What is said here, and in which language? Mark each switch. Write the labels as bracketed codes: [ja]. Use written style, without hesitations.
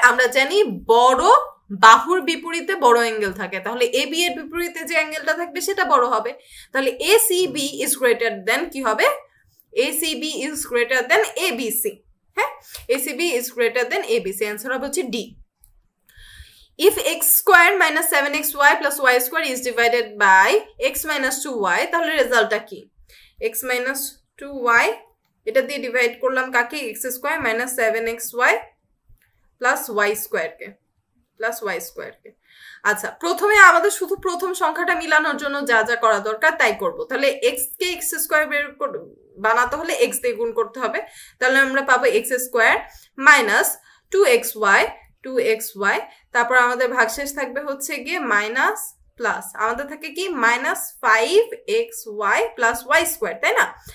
[bn] আমরা জানি বড় বাহুর বিপরীতে বড় অ্যাঙ্গেল থাকে, তাহলে এ বি এর বিপরীতে যে অ্যাঙ্গেলটা থাকবে সেটা বড় হবে, তাহলে A C B is greater than কি হবে? A C B is greater than A B C. হ্যাঁ, A C B is greater than A B C, answer হবে হচ্ছে D. [en] If x squared minus 7xy plus y squared is divided by x minus 2y, [bn] তাহলে রেজাল্টটা কি? x minus 2y, এটা দিয়ে divide করলাম কাকে? [en] x squared minus 7xy plus y squared কে, plus y squared কে। [bn] আচ্ছা, প্রথমে আমাদের শুধু প্রথম সংখ্যাটা মিলানোর জন্য যা যা করা দরকার তাই করব। তাহলে x কে x squared বের বানাতে হলে x দিয়ে গুণ করতে হবে, তাহলে আমরা পাবো x squared minus 2xy, 2xy, তারপর আমাদের ভাগশেষ থাকবে হচ্ছে গিয়ে মাইনাস প্লাস, আমাদের থাকে কি minus 5xy plus y square, তাই না?